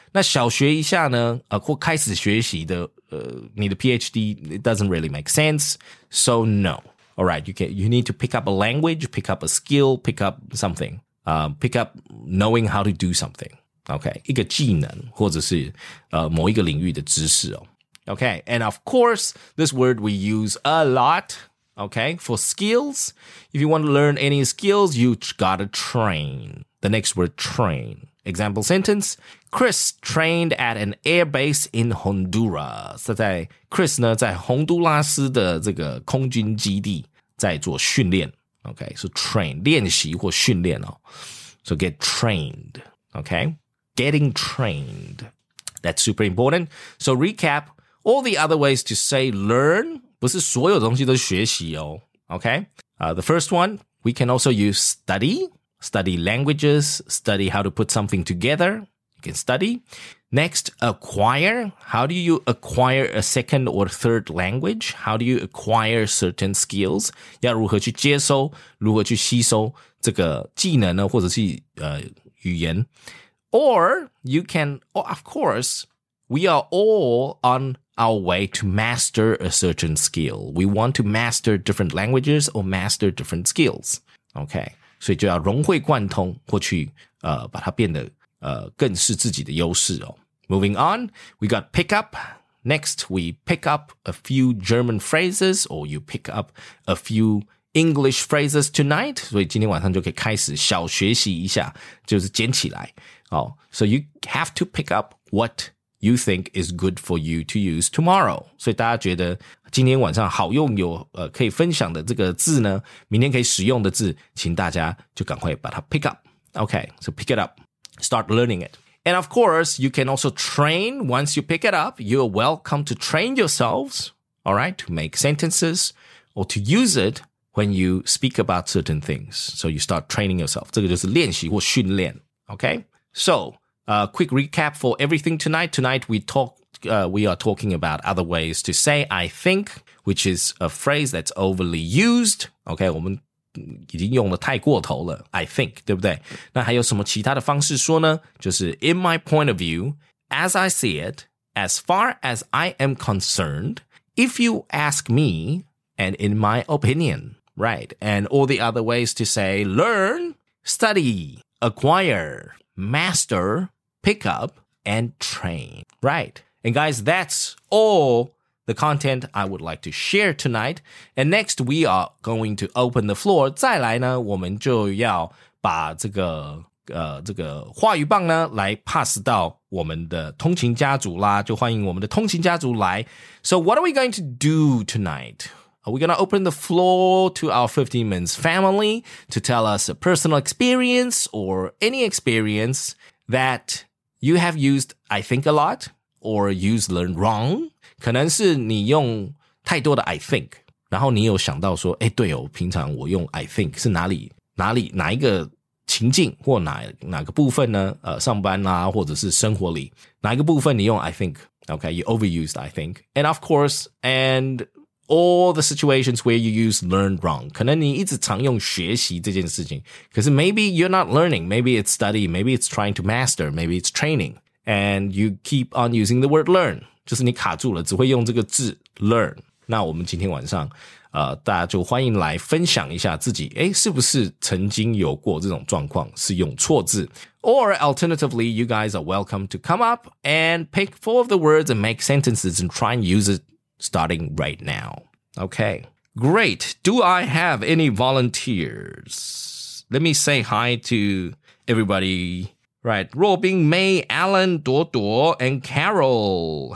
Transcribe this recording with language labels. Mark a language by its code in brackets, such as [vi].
[zh] 那小学一下呢或开始学习的你的 PhD, [en] it doesn't really make sense. So no. Alright, you need to pick up a language, pick up a skill, pick up something. Pick up knowing how to do something. [zh] Okay, 一个技能或者是某一个领域的知识哦。 [en] Okay, and of course, this word we use a lot, okay, for skills. If you want to learn any skills, you gotta train. The next word, train. Example sentence, Chris trained at an airbase in Honduras. [zh] 在 Chris 呢在洪都拉斯的这个空军基地在做训练。 [en] Okay, so train, [zh] 练习或训练哦。 [en] So get trained, okay? Getting trained. That's super important. So recap. All the other ways to say learn, [zh] 不是所有东西都学习哦 [en] okay? The first one, we can also use study, study languages, study how to put something together, you can study. Next, acquire, how do you acquire a second or third language? How do you acquire certain skills? [zh] 要如何去接收,如何去吸收这个技能呢,或者是语言。 [en] Or, you can, oh, of course, we are all onour way to master a certain skill. We want to master different languages or master different skills. Okay. [zh] 所以就要融会贯通或去把它变得更是自己的优势哦。 [en] Moving on, we got pick up. Next, we pick up a few German phrases or you pick up a few English phrases tonight. [zh] 所以今天晚上就可以开始小学习一下就是捡起来。 [en] Oh, so you have to pick up whatyou think is good for you to use tomorrow. [zh] 所以大家觉得今天晚上好用有可以分享的这个字呢明天可以使用的字请大家就赶快把它 pick up. [en] Okay, so pick it up. Start learning it. And of course, you can also train. Once you pick it up, you're welcome to train yourselves, all right, to make sentences or to use it when you speak about certain things. So you start training yourself. [zh] 这个就是练习或训练。 [en] Okay, so... quick recap for everything tonight. Tonight we are talking about other ways to say I think, which is a phrase that's overly used. Okay, [zh] 我们已经用的太过头了 [en] I think, [zh] 对不对那还有什么其他的方式说呢就是 [en] in my point of view, as I see it, as far as I am concerned, if you ask me, and in my opinion, right? And all the other ways to say learn, study, acquire, master, pick up, and train. Right. And guys, that's all the content I would like to share tonight. And next, we are going to open the floor. [zh] 再来呢，我们就要把这个话语棒呢来 pass 到我们的通勤家族啦，就欢迎我们的通勤家族来。 [en] So what are we going to do tonight? Are we going to open the floor to our 15 Minutes family to tell us a personal experience or any experience that you have used, I think, a lot or used learn wrong? [zh] 可能是你用太多的 I think, 然后你有想到说，诶，对哦，平常我用 I think 是哪里哪一个情境或哪个部分呢？上班啦，或者是生活里哪一个部分你用 I think? [en] Okay, you overused I think. And of course, and all the situations where you use learn wrong. [zh] 可能你一直常用学习这件事情，可是 [en] maybe you're not learning. Maybe it's study. Maybe it's trying to master. Maybe it's training. And you keep on using the word learn. [zh] 就是你卡住了，只会用这个字 learn. 那我们今天晚上大家就欢迎来分享一下自己，诶，是不是曾经有过这种状况，是用错字。 [en] Or alternatively, you guys are welcome to come up and pick four of the words and make sentences and try and use it starting right now. Okay, great. Do I have any volunteers? Let me say hi to everybody. Right, Robin, May, Alan, Dodo, and Carol.